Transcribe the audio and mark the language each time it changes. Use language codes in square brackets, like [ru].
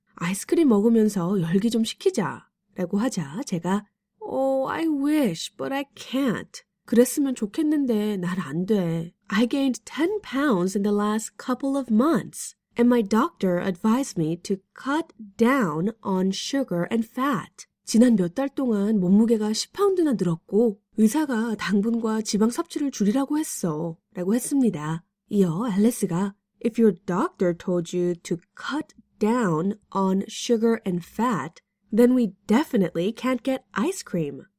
[ko] 아이스크림 먹으면서 열기 좀 식히자. 라고 하자 제가 [en] Oh, I wish, but I can't. [ko] 그랬으면 좋겠는데 난 안 돼. [en] I gained 10 pounds in the last couple of months. And my doctor advised me to cut down on sugar and fat. [ko] 지난 몇 달 동안 몸무게가 10파운드나 늘었고 의사가 당분과 지방 섭취를 줄이라고 했어. 라고 했습니다. 이어 앨리스가 [en] If your doctor told you to cut down on sugar and fat, then we definitely can't get ice cream.